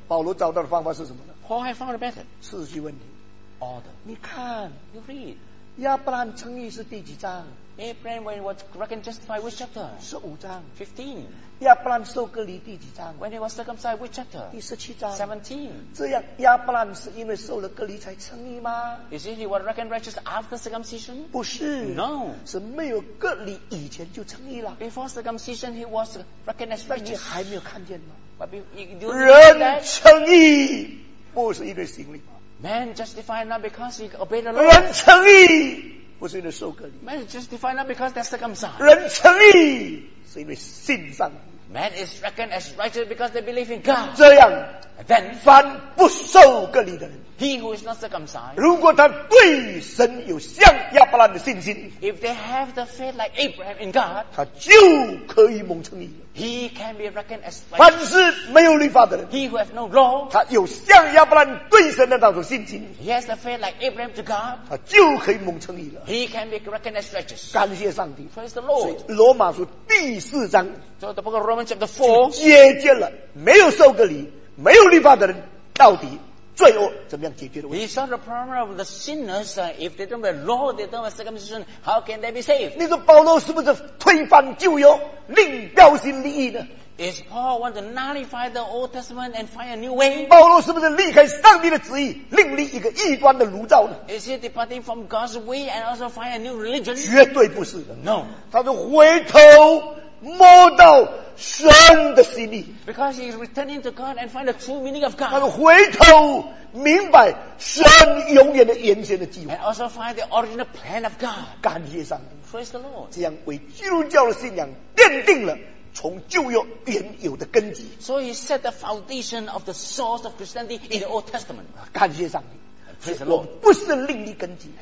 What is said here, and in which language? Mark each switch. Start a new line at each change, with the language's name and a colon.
Chinese: 保罗找到的方法是什么呢
English: ？Paul had found a method.
Chinese: 次序问题。
English: Order.
Chinese: 你看
English: ，You read.
Chinese: 亚伯拉罕称义是第几章
English: ？Abraham when was reckoned justified, which chapter?
Chinese: 十五章。
English: 15.
Chinese: 亚伯拉罕受割礼第几章
English: ？When he was circumcised, which chapter?
Chinese: 第十七章。
English: 17.
Chinese: 这样，亚伯拉罕是因为受了割礼才称义吗
English: ？Is he was reckoned righteous after circumcision?
Chinese: 不是。
English: No.
Chinese: 是没有割礼以前就称义了。
English: Before circumcision, he was reckoned righteous.
Chinese: 你还没有看见吗
English: ？But you
Chinese: 人称义不是因为行为。
English: Man justified not because he obeyed the law.
Chinese: 人称义不是因为受割礼。
English: Man justified not because they're circumcised.
Chinese: 人称义是因为信上。
English: Man is reckoned as righteous because they believe in God.
Chinese: 这样
English: then,
Chinese: 凡不受割礼的人
English: he who is not circumcised,
Chinese: 如果他对神有像亚伯拉罕的信心
English: if they have the faith like Abraham in God,
Chinese: 他就可以蒙称义
English: he can be reckoned as righteous.
Chinese: 凡是没有律法的人
English: he who has no law,
Chinese: 他有像亚伯拉罕对神的那种信心
English: he has the faith like Abraham to God,
Chinese: 他就可以蒙称义了
English: he can be reckoned as righteous.
Chinese: 感谢上帝
English: praise the Lord.
Chinese: 所以罗马书第四章
English: So the book of Romans chapter 4,
Chinese: 解决了没有受割礼没有律法的人到底罪恶怎么样解决的问题
English: He saw the problem of the sinners if they don't have law they don't have circumcision how can they be saved
Chinese: 你说保罗是不是推翻旧约另标新立异呢
English: Is Paul want to nullify the Old Testament and find a new way
Chinese: 保罗是不是离开上帝的旨意另立一个异端的炉灶呢
English: Is he departing from God's way and also find a new religion
Chinese: 绝对不是的
English: No
Chinese: 他说回头摸到神的心意
English: because he is returning to God and find the true meaning of God
Chinese: 他回头明白神永远的原先的计划
English: and also find the original plan of God
Chinese: 感谢上帝
English: praise the Lord
Chinese: 这样为基督教的信仰奠定了从旧约原有的根基
English: so he set the foundation of the source of Christianity in the Old Testament
Chinese: 感谢上帝我们不是另立根基